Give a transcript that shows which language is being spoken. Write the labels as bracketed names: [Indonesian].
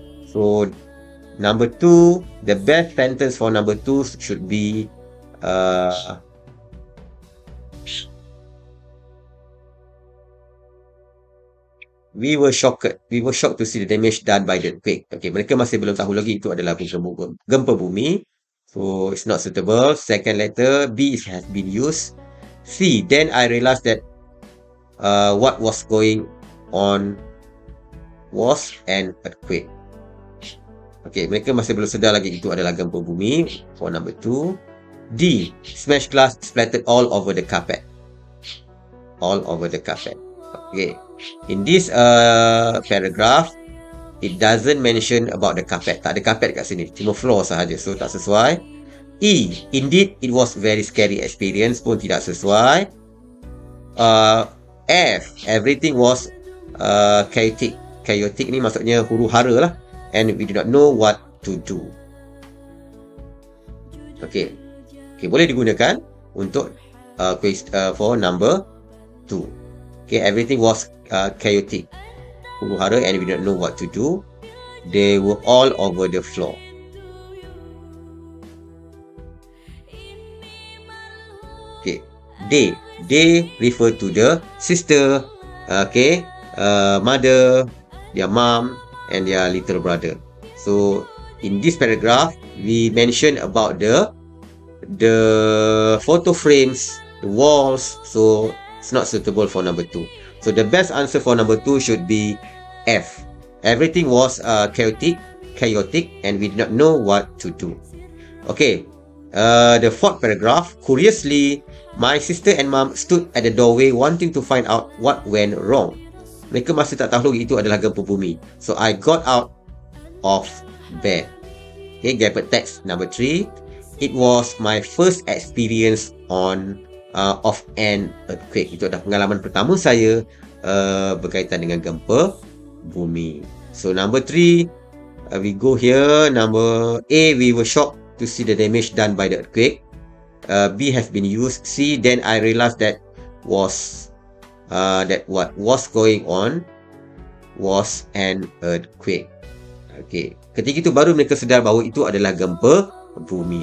[English] So, number two, the best sentence for number two should be We were shocked to see the damage done by the earthquake. [Malay] Okay, mereka masih belum tahu lagi itu adalah gempa bumi. [English] So, it's not suitable. Second letter, B has been used. C, then I realized that what was going on was an earthquake. [Malay] Okay, mereka masih belum sedar lagi itu adalah gempa bumi. [English] For number two. D, smash glass splattered all over the carpet. All over the carpet. Okay. In this paragraph, it doesn't mention about the carpet. [Malay] Tak ada carpet kat sini. Cuma floor sahaja. So, tak sesuai. E, [English] indeed, it was very scary experience [Malay] pun tidak sesuai. F, [English] everything was chaotic. [Malay] Chaotic ni maksudnya huru-hara lah. [English] And we do not know what to do. Okay. [Malay] Okay, boleh digunakan untuk [English] for number 2. Okay, everything was chaotic. Huru-hara and we don't know what to do. They were all over the floor. Okay, they refer to the sister, okay, mother, their mom and their little brother. So, in this paragraph, we mention about the photo frames, the walls, so it's not suitable for number 2. So the best answer for number 2 should be F. Everything was chaotic and we did not know what to do. Okay, the fourth paragraph. Curiously, my sister and mom stood at the doorway wanting to find out what went wrong. [Malay] Mereka masih tak tahu itu adalah gempa bumi. [English] So I got out of bed. Okay, gap text number 3. It was my first experience of an earthquake. [Malay] Itu adalah pengalaman pertama saya berkaitan dengan gempa bumi. [English] So number 3, we go here. Number A, we were shocked to see the damage done by the earthquake. B has been used. C, then I realized that what was going on was an earthquake. [Malay] Okay, ketika itu baru mereka sedar bahawa itu adalah gempa bumi.